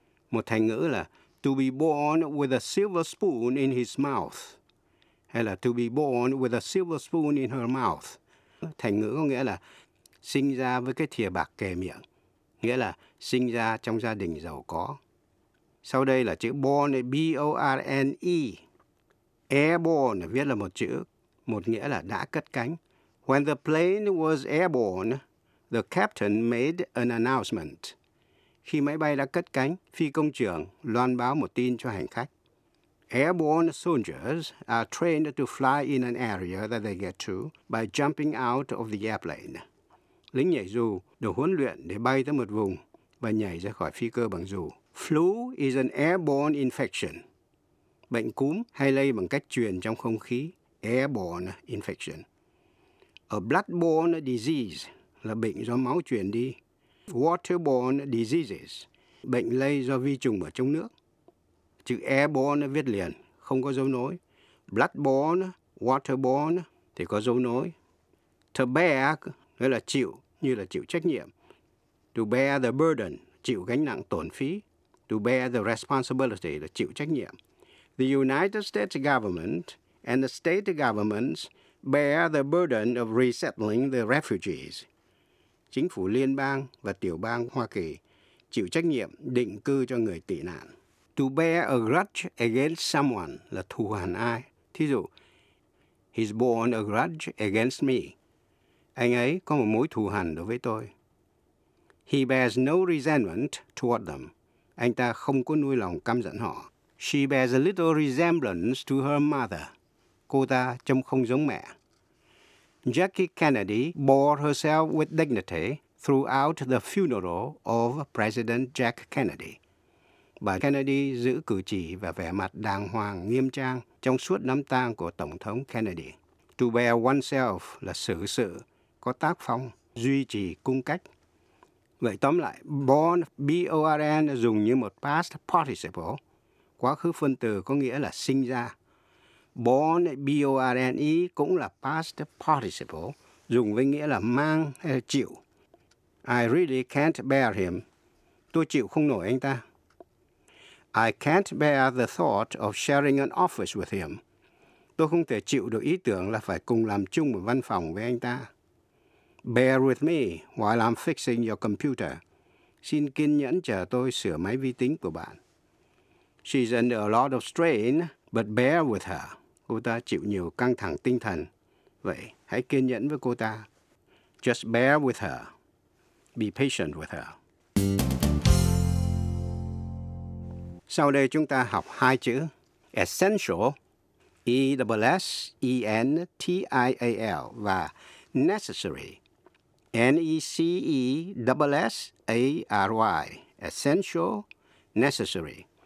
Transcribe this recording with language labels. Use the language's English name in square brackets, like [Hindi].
[Vietnamese] Một thành ngữ là [English] to be born with a silver spoon in his mouth, [Vietnamese] hay là [English] to be born with a silver spoon in her mouth. [Vietnamese] Thành ngữ có nghĩa là sinh ra với cái thìa bạc kề miệng, nghĩa là sinh ra trong gia đình giàu có. Sau đây là chữ born, B-O-R-N-E. Airborne viết là một chữ, một nghĩa là đã cất cánh. [English] When the plane was airborne, the captain made an announcement. [Vietnamese] Khi máy bay đã cất cánh, phi công trưởng loan báo một tin cho hành khách. [English] Airborne soldiers are trained to fly in an area that they get to by jumping out of the airplane. [Vietnamese] Lính nhảy dù được huấn luyện để bay tới một vùng và nhảy ra khỏi phi cơ bằng dù. [English] Flu is an airborne infection. [Vietnamese] Bệnh cúm hay lây bằng cách truyền trong không khí. [English] Airborne infection. A bloodborne disease [Vietnamese] là bệnh do máu truyền đi. [English] Waterborne diseases, [Vietnamese] bệnh lây do vi trùng ở trong nước. Chữ airborne viết liền, không có dấu nối. Bloodborne, waterborne thì có dấu nối. To bear nghĩa là chịu, như là chịu trách nhiệm. [English] To bear the burden, [Vietnamese] chịu gánh nặng tổn phí. [English] To bear the responsibility [Vietnamese] là chịu trách nhiệm. [English] The United States government and the state governments bear the burden of resettling the refugees. [Vietnamese] Chính phủ liên bang và tiểu bang Hoa Kỳ chịu trách nhiệm định cư cho người tị nạn. [English] To bear a grudge against someone [Vietnamese] là thù hằn ai. Thí dụ, [English] he's borne a grudge against me. [Vietnamese] Anh ấy có một mối thù hằn đối với tôi. [English] He bears no resentment toward them. [Vietnamese] Anh ta không có nuôi lòng căm giận họ. [English] She bears a little resemblance to her mother. [Vietnamese] Cô ta trông không giống mẹ. [English] Jackie Kennedy bore herself with dignity throughout the funeral of President Jack Kennedy. [Vietnamese] Bà Kennedy giữ cử chỉ và vẻ mặt đàng hoàng, nghiêm trang trong suốt đám tang của Tổng thống Kennedy. To bear oneself là xử sự, có tác phong, duy trì cung cách. Vậy tóm lại, born, B-O-R-N dùng như một past participle, quá khứ phân từ có nghĩa là sinh ra. Born, B-O-R-N-E cũng là past participle, dùng với nghĩa là mang hay là chịu. [English] I really can't bear him. [Vietnamese] Tôi chịu không nổi anh ta. [English] I can't bear the thought of sharing an office with him. [Vietnamese] Tôi không thể chịu được ý tưởng là phải cùng làm chung một văn phòng với anh ta. [English] Bear with me while I'm fixing your computer. [Vietnamese] Xin kiên nhẫn chờ tôi sửa máy vi tính của bạn. [English] She's under a lot of strain, but bear with her. [Vietnamese] Cô ta chịu nhiều căng thẳng tinh thần. Vậy, hãy kiên nhẫn với cô ta. [English] Just bear with her. Be patient with her. [Vietnamese] Sau đây chúng ta học hai chữ essential, E-S-S-E-N-T-I-A-L và necessary, N-E-C-E-S-S-A-R-Y, essential, necessary.